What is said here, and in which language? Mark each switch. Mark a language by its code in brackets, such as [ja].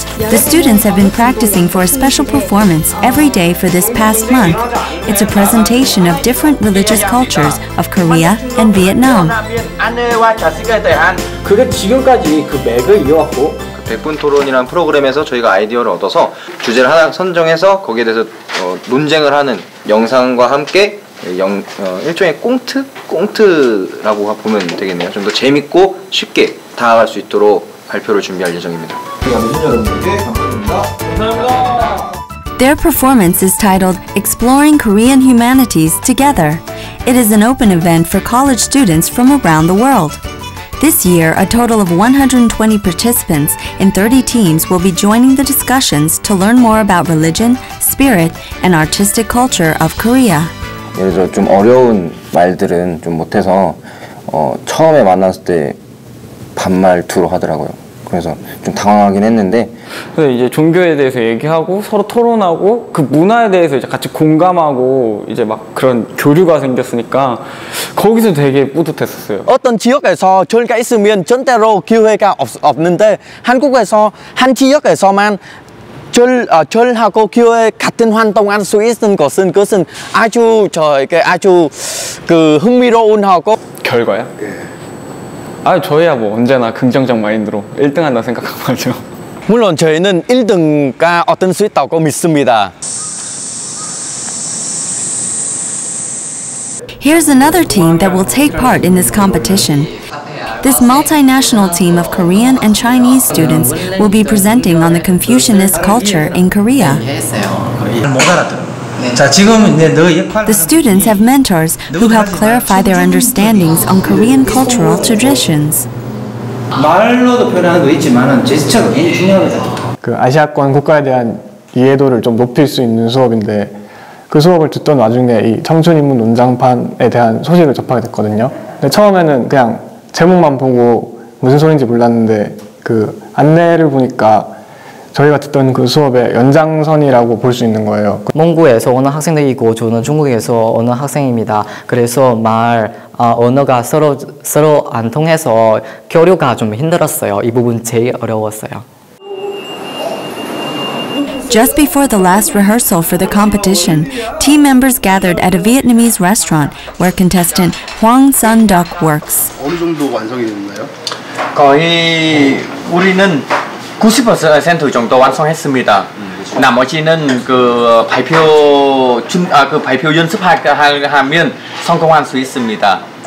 [en] The students have been practicing for a special performance every day for this past month. It's a presentation of different religious cultures of Korea and Vietnam. [ko] 아내와 자식에 대한 그게 지금까지 그 맥을 이어왔고 100분 토론이라는 프로그램에서 저희가 아이디어를 얻어서 주제를 하나 선정해서 거기에 대해서 논쟁을 하는 영상과 함께 일종의 꽁트라고 보면 되겠네요. 좀 더 재밌고 쉽게 다가갈 수 있도록 발표를 준비할 예정입니다. [en] Their performance is titled Exploring Korean Humanities Together. It is an open event for college students from around the world. This year, a total of 120 participants in 30 teams will be joining the discussions to learn more about religion, spirit, and artistic culture of Korea. [ko] 예를 들어 좀 어려운 말들은 좀 못해서 처음에 만났을 때 반말 투로 하더라고요. 그래서 좀 당황하긴 했는데 그래서 이제 종교에 대해서 얘기하고 서로 토론하고 그 문화에 대해서 이제 같이 공감하고 이제 막 그런 교류가 생겼으니까 거기서 되게 뿌듯했었어요. 어떤 지역에서 교회가 있으면 절대로 기회가 없는데 한국에서 한 지역에서만 절하고 기회 같은 활동할 수 있는 것은 그것은 아주 저에게 아주 그 흥미로운 하고 결과야? 예. 아, 저희야 뭐 언제나 긍정적 마인드로 1등한다 생각하죠. 물론 저희는 1등과 얻을 수 있다고 믿습니다. [en] Here's another team that will take part in this competition. This multinational team of Korean and Chinese students will be presenting on the Confucianist culture in Korea. [ko] 못 알아들어. 자, 지금 이제 너 역할 [en] The students have mentors who help clarify their understandings on Korean cultural traditions. [ko] 말로도 표현하는 거 있지만은 제스처도 굉장히 중요하거든요. 그 아시아권 국가에 대한 이해도를 좀 높일 수 있는 수업인데 그 수업을 듣던 와중에 이 청춘 인문 논장판에 대한 소식을 접하게 됐거든요. 근데 처음에는 그냥 제목만 보고 무슨 소리인지 몰랐는데 그 안내를 보니까 저희가 듣던 그 수업의 연장선이라고 볼 수 있는 거예요. 몽골에서 오는 학생들이고 저는 중국에서 오는 학생입니다. 그래서 말, 언어가 서로 안 통해서 교류가 좀 힘들었어요. 이 부분 제일 어려웠어요. [en] Just before the last rehearsal for the competition, team members gathered at a Vietnamese restaurant where contestant Hwang Sun-duk works. [ko] 어느 정도 완성이 됐나요? 거의 우리는 90% 정도 완성했습니다. 나머지는 발표 연습하면 성공할 수 있습니다.